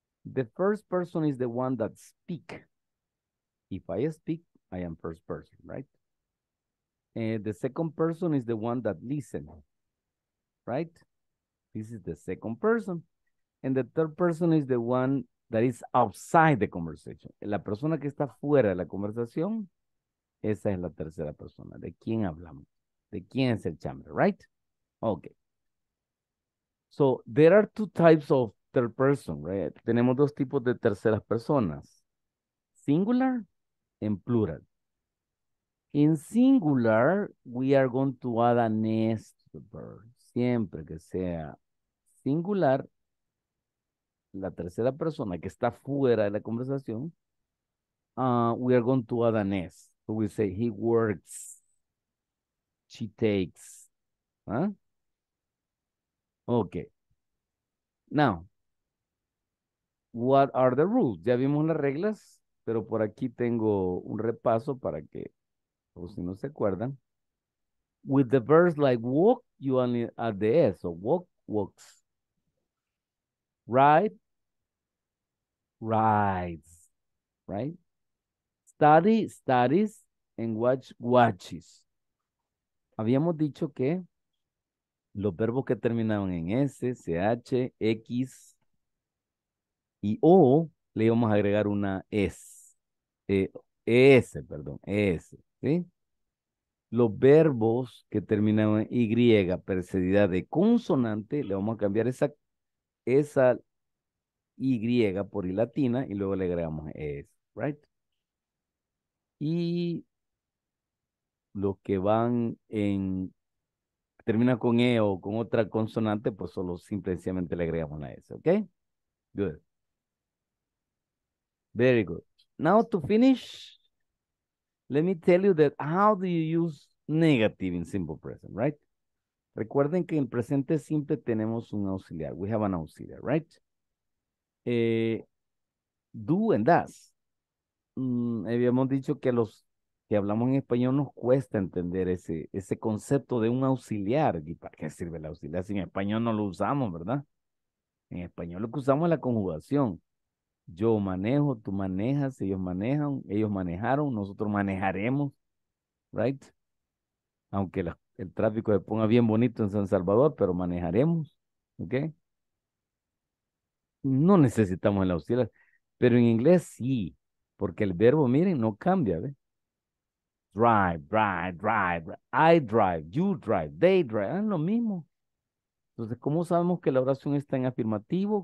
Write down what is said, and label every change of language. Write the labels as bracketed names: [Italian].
[English] The first person is the one that speak. If I speak, I am first person, right? And the second person is the one that listen, right? This is the second person. And the third person is the one that is outside the conversation. [Spanish] La persona que está fuera de la conversación, esa es la tercera persona. ¿De quién hablamos? ¿De quién es el chambre, right? Okay. [English] So, there are two types of third person, right? [Spanish] Tenemos dos tipos de terceras personas. Singular and plural. [English] In singular, we are going to add an S to the verb. [Spanish] Siempre que sea singular, la tercera persona que está fuera de la conversación, we are going to add an S. [English] So we say, he works, she takes. Okay. Now, what are the rules? [Spanish] Ya vimos las reglas, pero por aquí tengo un repaso para que, o si no se acuerdan. [English] With the verbs like walk, you only add the S. So walk, walks. Ride, rides. Right? Study, studies. And watch, watches. [Spanish] Habíamos dicho que los verbos que terminaban en S, CH, X y O, le íbamos a agregar una S. S, perdón, S. ¿Sí? Los verbos que terminan en Y precedida de consonante, le vamos a cambiar esa Y por I latina y luego le agregamos S, right? Y los que van en, termina con E o con otra consonante, pues solo simplemente le agregamos la S, ¿ok? [English] Good. Very good. Now to finish, let me tell you that how do you use negative in simple present, right? [Spanish] Recuerden que en el presente simple tenemos un auxiliar. We have an auxiliar, right? Do and does. Habíamos dicho que los que hablamos en español nos cuesta entender ese concepto de un auxiliar. ¿Y para qué sirve el auxiliar? Si en español no lo usamos, ¿verdad? En español lo que usamos es la conjugación. Yo manejo, tú manejas, ellos manejan, ellos manejaron, nosotros manejaremos, right? Aunque el tráfico se ponga bien bonito en San Salvador, pero manejaremos, ¿ok? No necesitamos el auxiliar, pero en inglés sí, porque el verbo, miren, no cambia, ¿ve? [English] Drive, drive, drive, I drive, you drive, they drive, es lo mismo. [Spanish] Entonces, ¿cómo sabemos que la oración está en afirmativo?